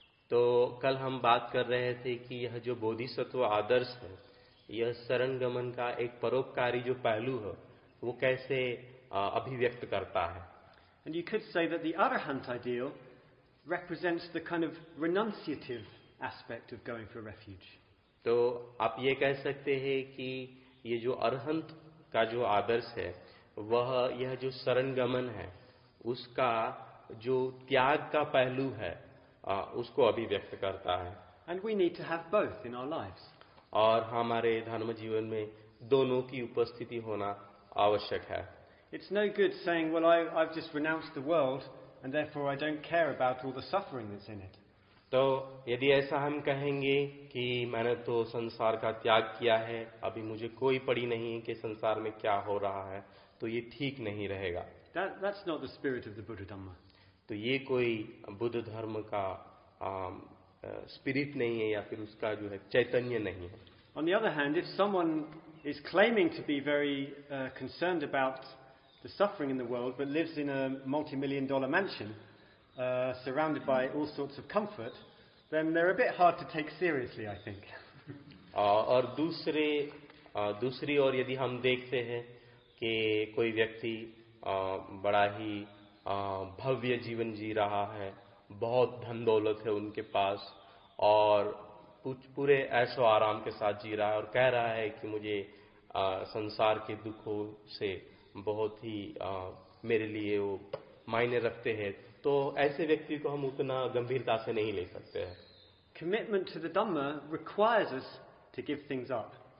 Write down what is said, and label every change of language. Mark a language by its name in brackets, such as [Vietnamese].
[Hindi] तो कल हम बात कर रहे थे कि यह जो बोधिसत्व आदर्श है यह शरण गमन का एक परोपकारी जो पहलू है वो कैसे अभिव्यक्त करता है. [English] And you could say that the Arahant ideal represents the kind of renunciative aspect of going for refuge. [Hindi] तो आप ये कह सकते हैं कि ये जो अरहंत का जो आदर्श है वह यह जो शरण गमन है उसका जो त्याग का पहलू है उसको अभिव्यक्त करता है. [English] And we need to have both in our lives. [Hindi] और हमारे धर्म जीवन में दोनों की उपस्थिति होना आवश्यक है. [English] It's no good saying, well, I've just renounced the world and therefore I don't care about all the suffering that's in it. [Hindi] तो यदि ऐसा हम कहेंगे कि मैंने तो संसार का त्याग किया है अभी मुझे कोई पड़ी नहीं है कि संसार में क्या हो रहा है तो ये ठीक नहीं रहेगा. [English] That's not the spirit of the Buddha Dhamma. [Hindi] तो ये कोई बुद्ध धर्म का स्पिरिट नहीं है या फिर उसका जो है चैतन्य नहीं है. [English] On the other hand, if someone is claiming to be very concerned about the suffering in the world but lives in a multi-million dollar mansion surrounded by all sorts of comfort, then they're a bit hard to take seriously, I think. [Hindi] और दूसरे दूसरी ओर यदि हम देखते हैं कि कोई व्यक्ति बड़ा ही भव्य जीवन जी रहा है, बहुत धन दौलत है उनके पास और पूरे ऐसो आराम के साथ जी रहा है और कह रहा है कि मुझे संसार के दुखों से बहुत ही मेरे लिए वो मायने रखते हैं, तो ऐसे व्यक्ति को हम उतना गंभीरता से नहीं ले सकते हैं. [English] Commitment to the Dhamma requires us to give things up.